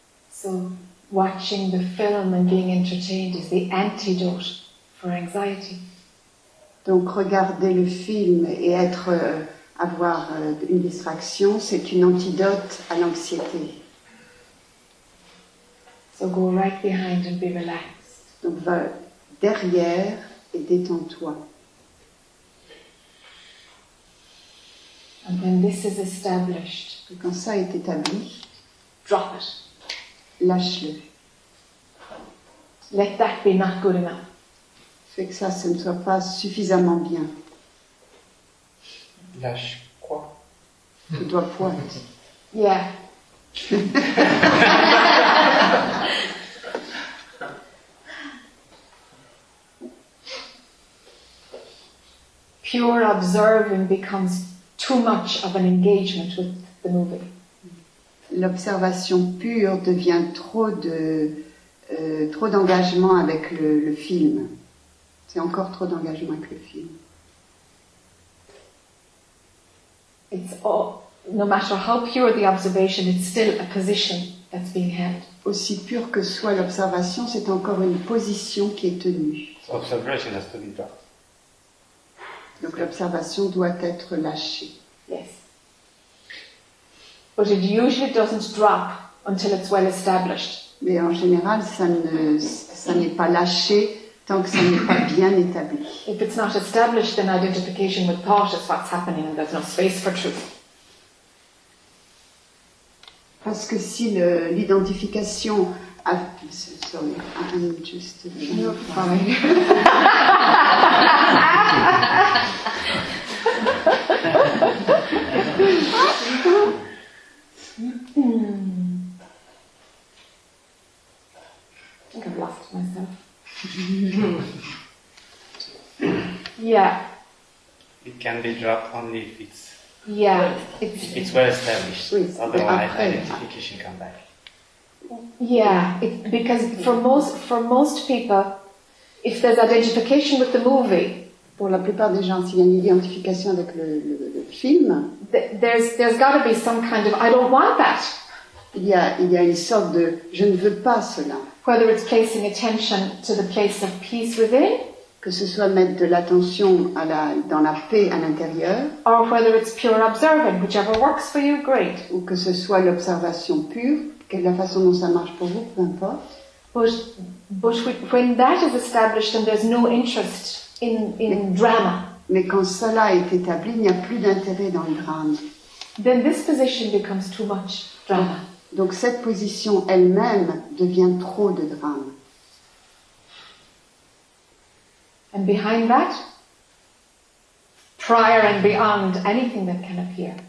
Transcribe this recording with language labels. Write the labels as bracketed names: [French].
[English] So, watching the film and being entertained is the antidote for anxiety. [French] Donc, regarder le film et être, avoir une distraction, c'est une antidote à l'anxiété. [English] So, go right behind and be relaxed. [French] Donc, va derrière et détends-toi. [English] And then this is established. [French] Et quand ça est établi, [English] drop it. [French] Lâche-le. [English] Let that be not good enough. [French] Fais que ça ne soit pas suffisamment bien. Lâche quoi? Le doigt pointe. [English] Yeah. Pure observing becomes too much of an engagement with the movie. [French] L'observation pure devient trop d'engagement avec le film. C'est encore trop d'engagement avec le film. [English] It's all, no matter how pure the observation, it's still a position that's being held. [French] Aussi pure que soit l'observation, c'est encore une position qui est tenue. [English] So observation has to be dropped. [French] Donc l'observation doit être lâchée. [English] Yes. But it usually doesn't drop until it's well established. [French] Mais en général, ça n'est pas lâché tant que ça n'est pas bien établi. [English] If it's not established, then identification with thought is what's happening, and there's no space for truth. [French] Parce que si l'identification, [English] sorry, I'm just. You're fine. I think I've lost myself. Yeah. It can be dropped only if it's. Yeah. If it's well established. Otherwise, identification comes back. Yeah. Because for most people, if there's identification with the movie. [French] Pour la plupart des gens, s'il y a une identification avec le film, [English] there's got to be some kind of I don't want that. [French] Il y a une sorte de je ne veux pas cela. [English] Whether it's placing attention to the place of peace within, [French] que ce soit mettre de l'attention dans la paix à l'intérieur, [English] or whether it's pure observing, whichever works for you, great. [French] Ou que ce soit l'observation pure, quelle la façon dont ça marche pour vous, peu importe. [English] But when that is established and there's no interest. In drama. [French] Mais quand cela est établi, il n'y a plus d'intérêt dans le drame. [English] Then this position becomes too much drama. [French] Donc cette position elle-même devient trop de drame. [English] And behind that, prior and beyond anything that can appear.